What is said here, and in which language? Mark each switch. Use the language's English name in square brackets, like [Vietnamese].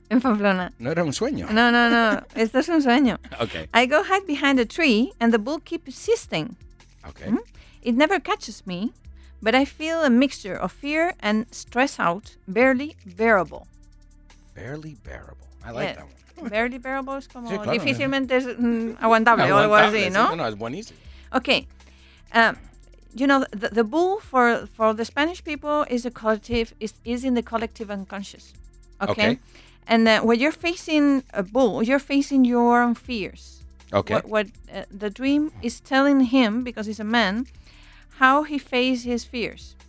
[Spanish] En Pamplona. No era un sueño. No, no, no. Esto es un sueño. [English] Okay. I go hide behind a tree and the bull keeps insisting. Okay. Mm-hmm. It never catches me, but I feel a mixture of fear and stress out, barely bearable. Barely bearable. I like that one. Barely bearable is [Spanish] como sí, claro, difícilmente aguantable o algo así, ¿no? No, no, es buenísimo. [English] Okay. You know, the bull for the Spanish people is a collective, is in the collective unconscious. Okay. And when you're facing a bull, you're facing your own fears. Okay. What the dream is telling him, because he's a man, how he faces his fears.